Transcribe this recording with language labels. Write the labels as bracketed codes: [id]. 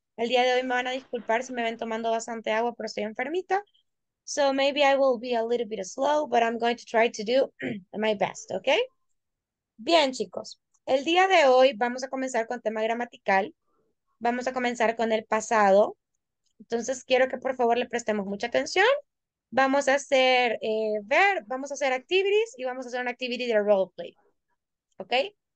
[es] El día de hoy me van a disculpar si me ven tomando bastante agua, pero estoy enfermita. [en] So maybe I will be a little bit slow, but I'm going to try to do my best, okay? [es] Bien, chicos. El día de hoy vamos a comenzar con tema gramatical. Vamos a comenzar con el pasado. Entonces quiero que por favor le prestemos mucha atención. Vamos a hacer ver, vamos a hacer activities y vamos a hacer una activity de roleplay, okay?